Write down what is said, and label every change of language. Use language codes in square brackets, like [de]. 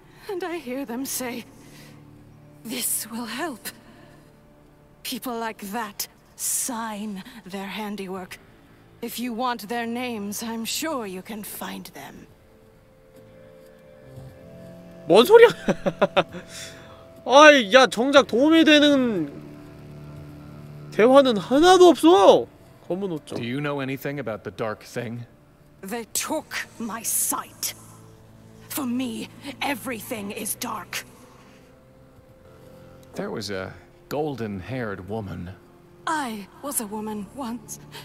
[en] And I hear them say, "This will help." People like that sign their handiwork. If you want their names, I'm sure you can find them. [ko] 뭔 소리야? 아이, 야, 정작 도움이 되는 대화는 하나도 없어. 검은 옷죠. [en] Do you know anything about the dark thing? They took my sight. For me, everything is dark. There was a golden-haired woman. I was a woman once.